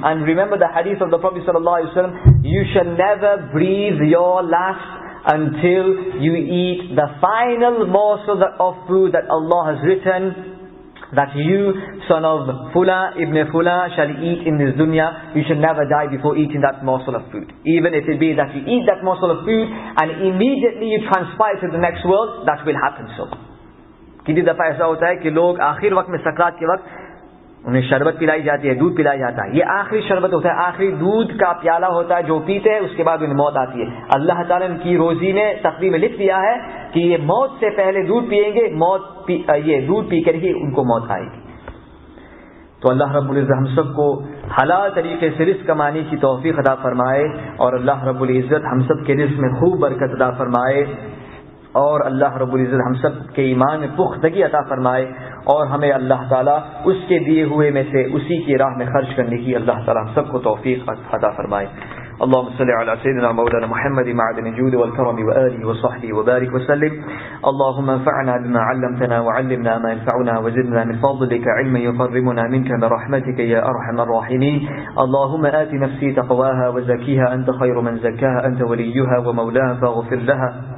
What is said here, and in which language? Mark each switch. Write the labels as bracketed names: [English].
[English] And remember the hadith of the Prophet sallallahu alaihi wasallam, you shall never breathe your last until you eat the final morsel of food that Allah has written that you, son of Fula, ibn Fula, shall eat in this dunya. You shall never die before eating that morsel of food. Even if it be that you eat that morsel of food and immediately you transpire to the next world, that will happen so. [Urdu] کسی دفعہ ایسا ہوتا ہے کہ لوگ آخر وقت میں سکرات کے وقت انہیں شربت پلائی جاتی ہے, دودھ پلایا جاتا ہے, یہ آخری شربت ہوتا ہے, آخری دودھ کا پیالہ ہوتا ہے جو پیتے ہیں, اس کے بعد انہیں موت آتی ہے. اللہ تعالیٰ ان کی روزی نے تقدیم میں لکھ دیا ہے کہ یہ موت سے پہلے دودھ پئیں گے, یہ دودھ پی کر ہی ان کو موت آئے گی. تو اللہ رب العزت ہم سب کو حلال طریقے سے رزق کمانے کی توفیق عطا فرمائے, اور اللہ رب العزت ہم سب کے رزق میں خوب برکت عطا فرمائے, اور اللہ رب العزت ہم سب کے ایمان میں پختگی عطا فرمائے, اور ہمیں اللہ تعالیٰ اس کے دیے ہوئے میں سے اسی کی راہ میں خرچ کرنے کی اللہ تعالیٰ ہم سب کو توفیق عطا فرمائے. [Arabic] اللهم صل على سيدنا مولانا محمد معدن الجود والكرم وآله وصحبه وبارك وسلم. اللهم انفعنا بما علمتنا وعلمنا ما ينفعنا وزدنا من فضلك علما يقربنا منك برحمتك يا أرحم الراحمين. اللهم آت نفسي تقواها وزكيها أنت خير من زكاها أنت وليها ومولاها فاغفر لها.